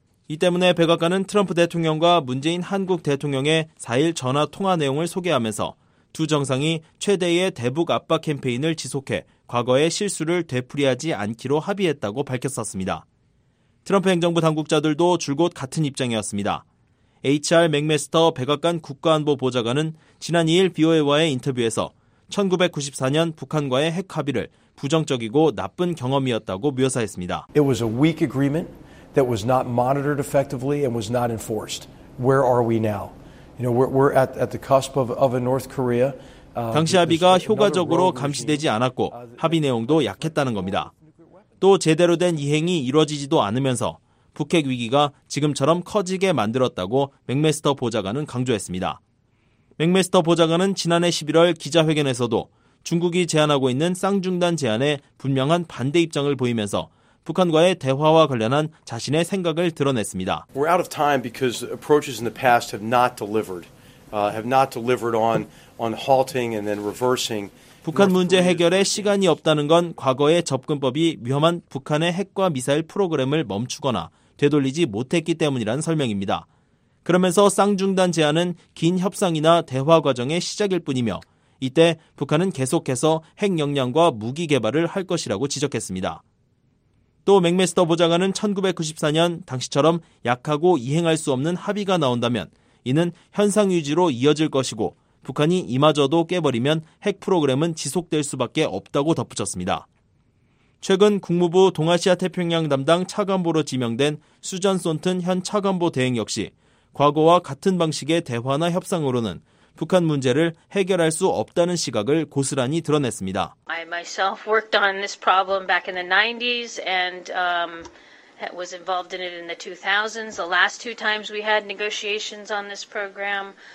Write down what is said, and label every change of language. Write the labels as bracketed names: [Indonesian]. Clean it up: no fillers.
[Korean] 이 때문에 백악관은 트럼프 대통령과 문재인 한국 대통령의 4일 전화 통화 내용을 소개하면서 두 정상이 최대의 대북 압박 캠페인을 지속해 과거의 실수를 되풀이하지 않기로 합의했다고 밝혔었습니다. 트럼프 행정부 당국자들도 줄곧 같은 입장이었습니다. HR 맥메스터 백악관 국가안보보좌관은 지난 2일 BOA와의 인터뷰에서 1994년 북한과의 핵 합의를 부정적이고 나쁜 경험이었다고 묘사했습니다. [English] It was a weak agreement that was not monitored effectively and was not enforced. Where are we now? You know, we're at the cusp of a North Korea. [Korean] 당시 합의가 효과적으로 감시되지 않았고 합의 내용도 약했다는 겁니다. 또 제대로 된 이행이 이루어지지도 않으면서 북핵 위기가 지금처럼 커지게 만들었다고 맥메스터 보좌관은 강조했습니다. 맥메스터 보좌관은 지난해 11월 기자회견에서도 중국이 제안하고 있는 쌍중단 제안에 분명한 반대 입장을 보이면서 북한과의 대화와 관련한 자신의 생각을 드러냈습니다. [English] We're out of time because approaches in the past have not delivered. Have not delivered on halting and then reversing. [Korean] 북한 문제 해결에 시간이 없다는 건 과거의 접근법이 위험한 북한의 핵과 미사일 프로그램을 멈추거나 되돌리지 못했기 때문이라는 설명입니다. 그러면서 쌍중단 제안은 긴 협상이나 대화 과정의 시작일 뿐이며 이때 북한은 계속해서 핵 역량과 무기 개발을 할 것이라고 지적했습니다. 또 맥메스터 보좌관은 1994년 당시처럼 약하고 이행할 수 없는 합의가 나온다면 이는 현상 유지로 이어질 것이고 북한이 이마저도 깨버리면 핵 프로그램은 지속될 수밖에 없다고 덧붙였습니다. 최근 국무부 동아시아 태평양 담당 차관보로 지명된 수전 손튼 현 차관보 대행 역시 과거와 같은 방식의 대화나 협상으로는 북한 문제를 해결할 수 없다는 시각을 고스란히 드러냈습니다. [English] I myself worked on this problem back in the 90s and was involved in it in the 2000s. The last two times we had negotiations on this program.